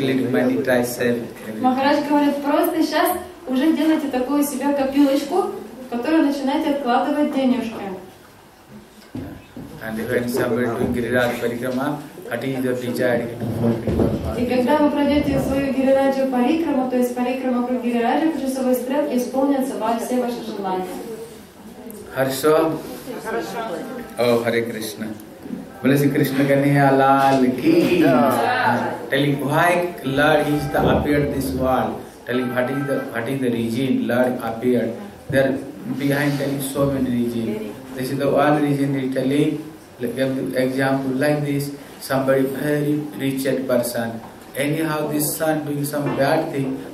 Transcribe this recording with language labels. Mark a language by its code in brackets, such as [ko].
[ru] Махарадж говорит, просто сейчас уже делайте такую себе копилочку, в которую начинаете откладывать денежки. [en] And when somebody doing Girirad Parikrama, that is your desire to fulfill. [ru] И когда вы пройдете свою Гирираджу Парикраму, то есть Парикрама круг Гирираджи, по часовой стрелке исполнятся вам все ваши желания. Хорошо. Хорошо. О, Харе Кришна. Блеси Кришна Ганья Лал Ки. [en] Telling why Lord is the appeared this world. Telling what is the reason Lord appeared. There behind telling so many reasons. This is the one reason he telling. Like example like this. Somebody very rich person. Anyhow this son doing some bad thing.